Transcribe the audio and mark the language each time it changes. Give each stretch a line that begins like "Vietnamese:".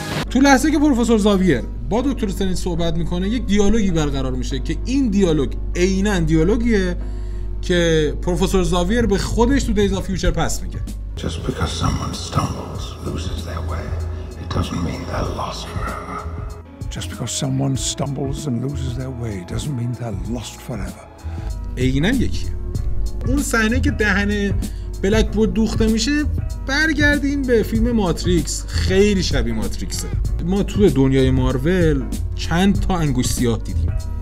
Persian: تو لحظه که پروفسور زاویر با دکتر استرنج صحبت میکنه یک دیالوگی برقرار میشه که این دیالوگ عیناً دیالوگیه که پروفسور زاویر به خودش تو دیز آف فیوچر پس میگه.
English: Just because someone stumbles loses their way it doesn't mean they're lost forever. Just because someone stumbles and loses their way doesn't mean they're lost forever.
Persian: عیناً یکیه. اون صحنه که دهنه بلک بود دوخته میشه، برگردیم به فیلم ماتریکس، خیلی شبیه ماتریکسه. ما تو دنیای مارول چند تا انگوش سیاه دیدیم.